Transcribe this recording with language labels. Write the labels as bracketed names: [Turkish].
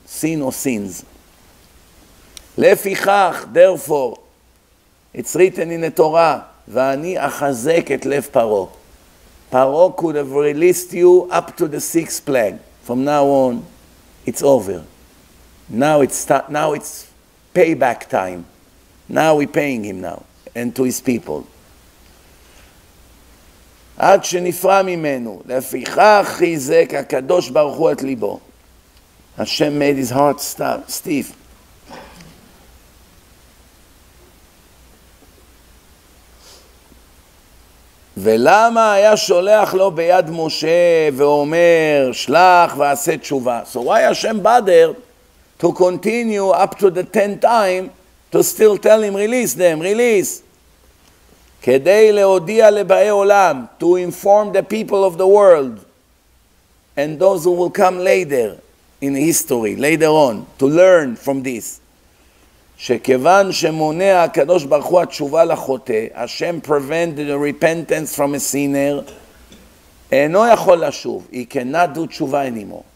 [English] Sin or sins. Lefichach, therefore, it's written in the Torah, [Hebrew] Vani achazek et lev paro. [English] Paro could have released you up to the sixth plague. From now on, it's over. Now it's payback time. Now we're paying him now, and to his people. [Hebrew] עד שנפרע ממנו, לפיכך חיזק הקדוש ברוך הוא את ליבו. [English] Hashem made his heart stiff. [Hebrew] ולמה היה שולח לו ביד משה ואומר, שלח ועשה תשובה. [English] So why Hashem bothered to continue up to the 10th time to still tell him, release them, release. [Hebrew] כדי להודיע לבאי עולם, [English] to inform the people of the world and those who will come later in history, later on, to learn from this. [Hebrew] שכיוון שמונע הקדוש ברוך הוא התשובה לחוטא, השם [English] prevented the repentance from a sinner, [Hebrew] אינו יכול לשוב, [English] he cannot do [Hebrew] תשובה anymore.